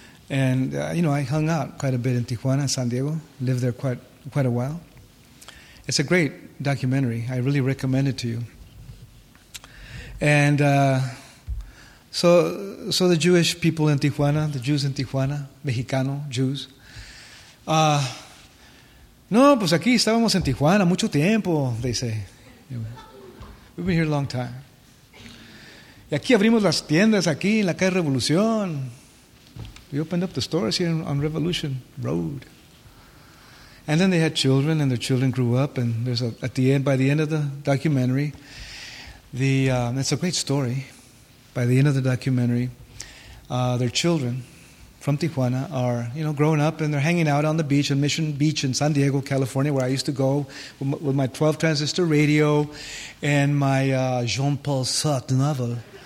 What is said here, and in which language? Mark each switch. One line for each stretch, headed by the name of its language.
English: And, you know, I hung out quite a bit in Tijuana, San Diego, lived there quite a while. It's a great documentary. I really recommend it to you. And so the Jewish people in Tijuana, the Jews in Tijuana, Mexicano, Jews.
Spanish: No, pues aquí estábamos en Tijuana mucho tiempo,
English: they say. We've been here a long time.
Spanish: Y aquí abrimos las tiendas aquí en la calle Revolución.
English: We opened up the stores here on Revolution Road. And then they had children, and their children grew up. And there's by the end of the documentary, that's a great story. By the end of the documentary, their children from Tijuana are, you know, growing up, and they're hanging out on the beach, on Mission Beach in San Diego, California, where I used to go with my 12 transistor radio and my Jean-Paul Sartre novel.